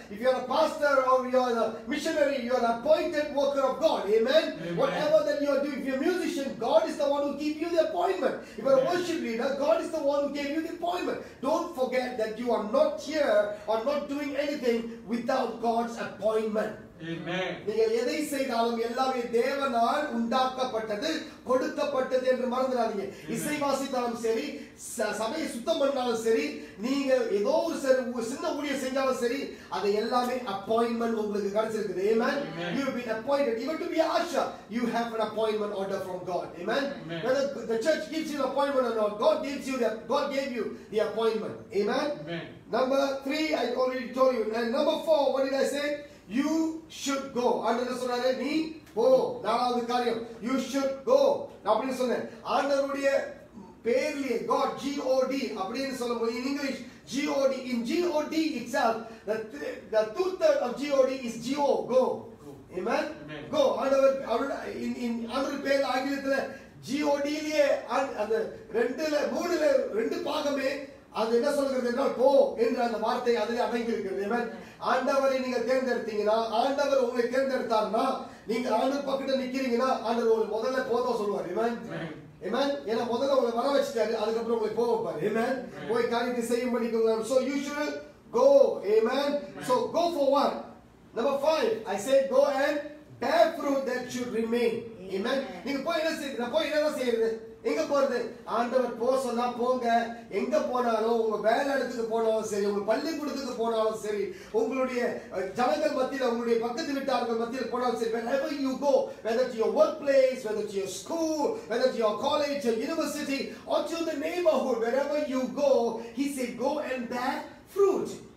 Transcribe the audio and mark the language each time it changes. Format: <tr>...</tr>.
<en>If you are a pastor or you are a missionary, you are an appointed worker of God. Amen? Amen. Whatever that you are doing, if you are a musician, God is the one who gave you the appointment. If you are a worship leader, God is the one who gave you the appointment. Don't forget that you are not here or not doing anything without God's appointment.</en> <ta>நீங்கள் எதை செய்தாலும் எல்லாமே தேவனால் உண்டாக்கப்பட்டது கொடுக்கப்பட்டது என்று மறந்துடாதீங்க. இசை வாசித்தாலும் சரி, சபையை சுத்தம் பண்ணாலும் சரி, நீங்க ஏதோ ஒரு சின்ன ஊழியம் செஞ்சாலும் சரி, அது எல்லாமே அப்பாயின்மெண்ட் உங்களுக்கு கிடைச்சிருக்கு.</ta> <en>Amen. You have been appointed. Even to be usher, you have an appointment order from God. Amen. Whether the church gives you an appointment or not, God gives you that. God gave you the appointment. Amen. Number three, I already told you. And number four, what did I say? You should go.</en> <ta>ஆண்டவர் சொன்னாரே நீ போ. நாலாவது காரியம்,</ta> <en>you should go</en> <ta>அப்படின்னு சொன்னேன். ஆண்டவருடைய பேர்லயே God, G-O-D அப்படின்னு சொல்ல முடியும்.</ta> <en>In English G-O-D. In G-O-D itself, the two-third of G-O-D is G-O, go. Amen? Go.</en> <ta>ஆண்டவர் in ஆண்டவர் பேர் ஆங்கிலத்தில் G-O-D-லயே அந்த ரெண்டுல மூணுல ரெண்டு பாகமே அது என்ன சொல்கிறது என்றால் போ என்ற அந்த வார்த்தை அதிலே அடங்கியிருக்கிறது. Amen. ஆண்டவரை நீங்க தேர்ந்தெடுத்தீங்கன்னா, ஆண்டவர் உங்களை தேர்ந்தெடுத்தார்னா, நீங்க ஆண்டவர் பக்கத்துல நிக்கிறீங்கன்னா, ஆண்டவர் உங்களுக்கு முதல்ல போக சொல்லுவார். Amen. ஏன்னா முதல்ல உங்களை வர வச்சுட்டாரு, அதுக்கப்புறம் உங்களை போக வைப்பார்.</ta> <en>Amen.</en> <ta>போய் காரியத்தை செய்யும் பண்ணிக்கலாம்.</ta> <en>So you should go. Amen. So go for one. Number five, I say go and bear fruit that should remain. Amen.</en> <ta>நீங்க போய் என்ன செய்யுங்க, போய் என்ன செய்யுங்க, எங்க போறது? ஆண்டவர் போ சொன்னா போங்க. எங்க போனாலும், உங்க வேலை இடத்துக்கு போனாலும் சரி,</ta> <en>உங்க பள்ளிக்கூடத்துக்கு போனாலும் சரி, உங்களுடைய ஜனங்கள் மத்தியில், உங்களுடைய பக்கத்து வீட்டார்கள் மத்தியில் போனாலும் சரி, wherever you go, whether to your workplace, whether to your school, whether to your college, your university, or to the neighborhood, wherever you go, he said, go and bear fruit.</en>